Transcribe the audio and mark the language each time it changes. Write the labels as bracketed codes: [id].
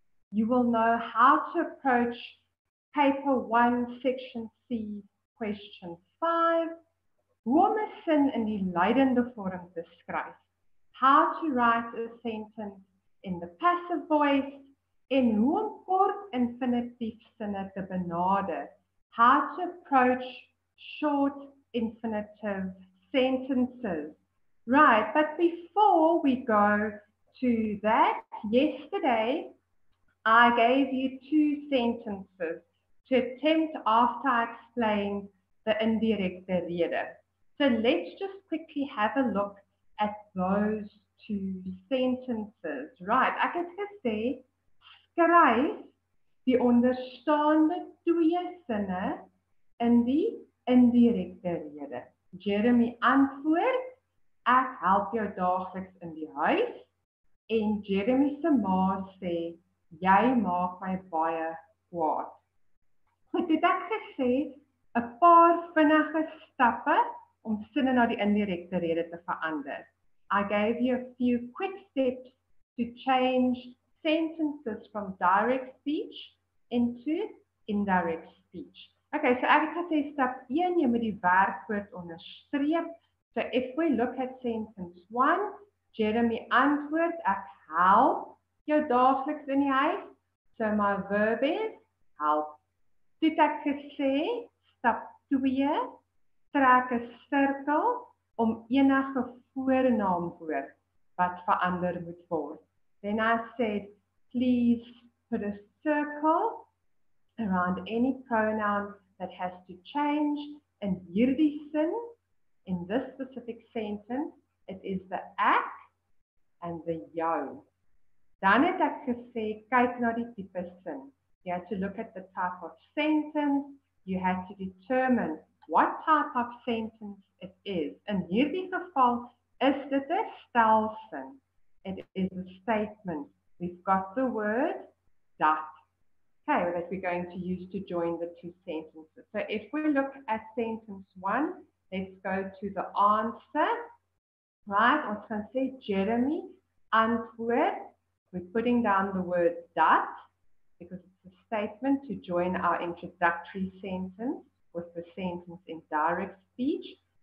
[en] You will know how to approach paper 1, section C, question 5. [af] Hoe om 'n sin in die lydende vorm te skryf. [en] How to write a sentence in the passive voice. [af] En hoe om kort infinitief sinne te benader. [en] How to approach short infinitive sentences. Right, but before we go to that, yesterday I gave you 2 sentences to attempt after I explained the indirecte rede. So let's just quickly have a look at those 2 sentences. [af] Right, ek het gesê, skryf die onderstaande 2 sinne in die indirekte rede. Jeremy antwoord, ek help jou daagliks in die huis. En Jeremy se ma sê, jy maak my baie kwaad. Goed, het ek gesê, 'n paar vinnige stappe om sinne na die indirekte rede te verander. [en] I gave you a few quick steps to change sentences from direct speech into indirect speech. Okay, so [af] ek het gesê stap 1, jy moet die werkwoord onderstreep. [en] So if we look at sentence 1, [af] Jeremy antwoord, ek help jou daagliks in die huis. [en] So my verb is help. [af] Dit ek gesê, stap 2, trek 'n sirkel om enige voornaamwoord wat verander moet word. [en] Then I said, please put a circle around any pronoun that has to change. [af] In hierdie sin, [en] in this specific sentence, it is the ek and the jou. [af] Dan het ek gesê, kyk na die tipe sin. [en] You had to look at the type of sentence. You had to determine what type of sentence it is. [af] In hierdie geval is dit 'n stelsin. [en] It is a statement. We've got the word dat. Okay, that we're going to use to join the 2 sentences. So if we look at sentence 1, let's go to the answer. Right, I was going to say [af] Jeremy antwoord. [en] We're putting down the word dat because it's a statement to join our introductory sentence with the sentence in direct speech.